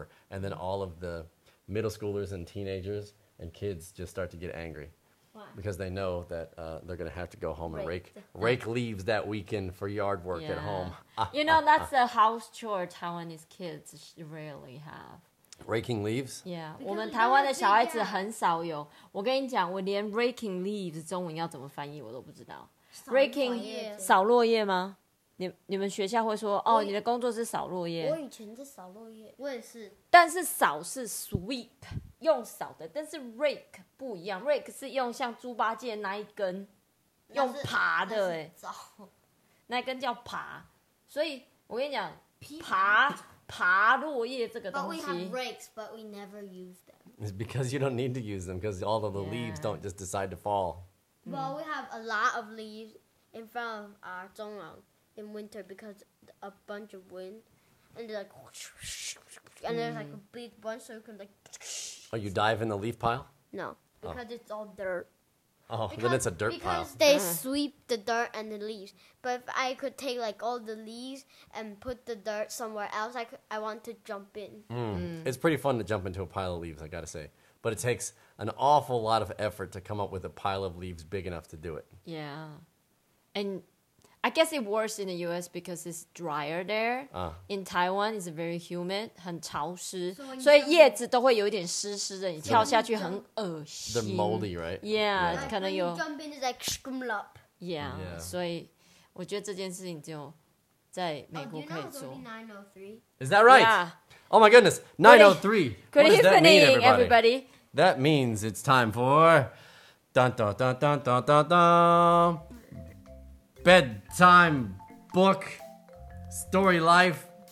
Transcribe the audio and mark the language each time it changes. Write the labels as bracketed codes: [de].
[en] And then all of the middle schoolers and teenagers and kids just start to get angry. Because they know that they're going to have to go home and rake leaves that weekend for yard work at home. You know, that's a house chore Taiwanese kids rarely have. Raking leaves? Yeah. [zh] 我们台湾的小孩子很少有.我跟你讲, 我连 [en] raking leaves [zh] 中文要怎么翻译我都不知道. [en] Raking, [zh] 扫落叶吗? 你们学校会说, 哦, 你的工作是扫落叶. 我以前是扫落叶。我也是。但是扫是 sweep。用扫的, 但是 rake 不一样, rake 是用像猪八戒那一根, 用爬的, 那一根叫爬, 所以我跟你讲, 爬, 爬落叶这个东西, [en] but we have rakes, but we never use them. It's because you don't need to use them, because all of the leaves don't just decide to fall. Well, we have a lot of leaves in front of our zhongrong in winter, because a bunch of wind, and they're like, whoosh, whoosh, whoosh, whoosh, and there's like a big bunch, so you can like, whoosh. Oh, you dive in the leaf pile? No, because it's all dirt. Oh, because, then it's a dirt pile. Because they sweep the dirt and the leaves. But if I could take like all the leaves and put the dirt somewhere else, I want to jump in. Mm. Mm. It's pretty fun to jump into a pile of leaves, I gotta say. But it takes an awful lot of effort to come up with a pile of leaves big enough to do it. Yeah. And I guess it works in the U.S. because it's drier there. In Taiwan, it's very humid, [zh] 很潮湿. [en] So [zh] 所以叶子都会有点湿湿的, 你跳下去很恶心. [en] They're moldy, right? Yeah, [zh] 可能有. [en] When you jump in, it's like scrumlop. Yeah, [zh] 所以我觉得这件事情就在美国可以做. [en] Oh, do you know it's only 903? Is that right? Yeah. Oh my goodness, 903. Good evening, everybody. That means it's time for... Dun, dun, dun, dun, dun, dun, dun. Bedtime book, story life.